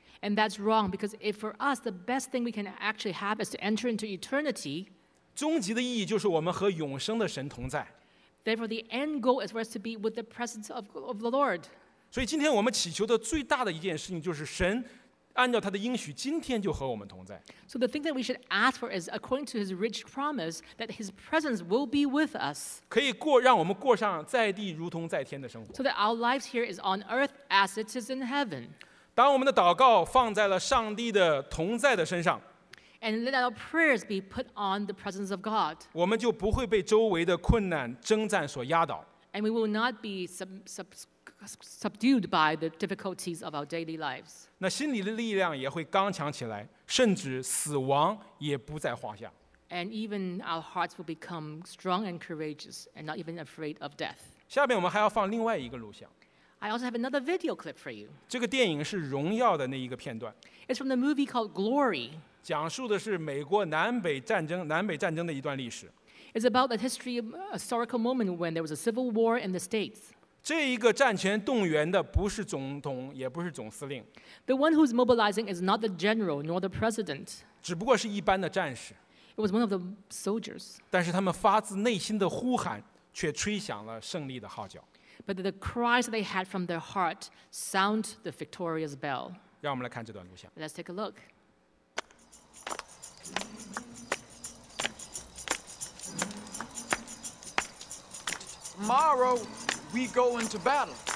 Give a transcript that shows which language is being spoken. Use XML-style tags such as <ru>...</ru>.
<en>And that's wrong, because if for us, the best thing we can actually have is to enter into eternity.</en> <zh>终极的意义就是我们和永生的神同在。</zh> <en>Therefore, the end goal is for us to be with the presence of the Lord.</en> <zh>所以今天我们祈求的最大的一件事情就是神按照他的应许，今天就和我们同在。</zh> <en>So the thing that we should ask for is, according to his rich promise, that his presence will be with us.</en> <zh>可以过，让我们过上在地如同在天的生活。</zh> <en>So that our lives here is on earth as it is in heaven.</en> <zh>当我们的祷告放在了上帝的同在的身上，</zh> <en>and let our prayers be put on the presence of God.</en> <zh>我们就不会被周围的困难征战所压倒。</zh> <en>And we will not be subdued by the difficulties of our daily lives.</en> <zh>那心里的力量也会刚强起来，甚至死亡也不在话下。</zh> <en>And even our hearts will become strong and courageous and not even afraid of death.</en> <zh>下面我们还要放另外一个录像。</zh> <en>I also have another video clip for you.</en> <zh>这个电影是荣耀的那一个片段。</zh> <en>It's from the movie called Glory.</en> <zh>讲述的是美国南北战争的一段历史。</zh> <en>It's about the history of a historical moment when there was a civil war in the States.</en> <zh>这一个战前动员的不是总统，也不是总司令。</zh> <en>The one who's mobilizing is not the general nor the president.</en> <zh>只不过是一般的战士。</zh> <en>It was one of the soldiers.</en> <zh>但是他们发自内心的呼喊，却吹响了胜利的号角。</zh> <en>But the cries they had from their heart sound the victorious bell.</en> <zh>让我们来看这段录像。</zh> <en>Let's take a look. Tomorrow. We go into battle.</en>